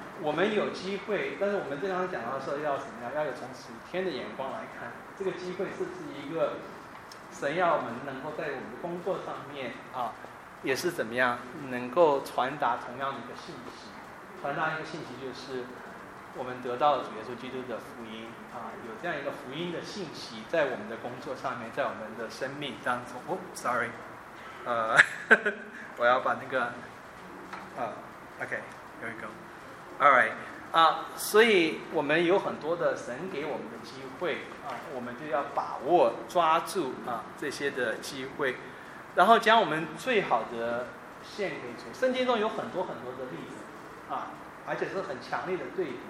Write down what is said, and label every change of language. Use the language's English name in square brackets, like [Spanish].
[Chinese] 我们有机会，但是我们这刚才讲到说要怎么样，要有从属天的眼光来看，这个机会是不是一个神要我们能够在我们的工作上面啊，也是怎么样能够传达同样的一个信息？传达一个信息就是我们得到了主耶稣基督的福音啊，有这样一个福音的信息在我们的工作上面，在我们的生命当中。 [English] 哦 ，sorry， [Chinese] 我要把那个 [English] OK， here we go。All right. [Chinese] 啊，所以我们有很多的神给我们的机会啊，我们就要把握抓住啊这些的机会，然后将我们最好的献给主。圣经中有很多很多的例子啊，而且是很强烈的对比。